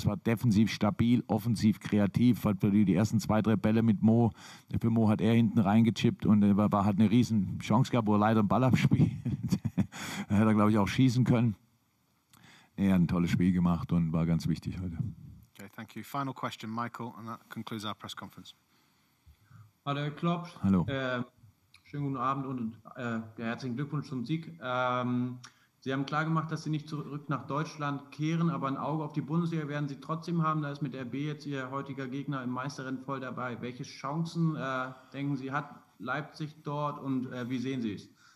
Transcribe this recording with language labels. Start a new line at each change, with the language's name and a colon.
German: Es war defensiv stabil, offensiv kreativ, hat die ersten zwei, drei Bälle mit Mo. Für Mo hat er hinten reingechippt und hat eine riesen Chance gehabt, wo er leider einen Ball abspielt. Da hätte er, glaube ich, auch schießen können. Er hat ein tolles Spiel gemacht und war ganz wichtig heute.
English: Okay, thank you. Final question, Michael, and that concludes our press conference.
German: Hallo, Klopp. Hallo. Schönen guten Abend und herzlichen Glückwunsch zum Sieg. Sie haben klar gemacht, dass Sie nicht zurück nach Deutschland kehren, aber ein Auge auf die Bundesliga werden Sie trotzdem haben. Da ist mit RB jetzt Ihr heutiger Gegner im Meisterrennen voll dabei. Welche Chancen, denken Sie, hat Leipzig dort und wie sehen Sie es?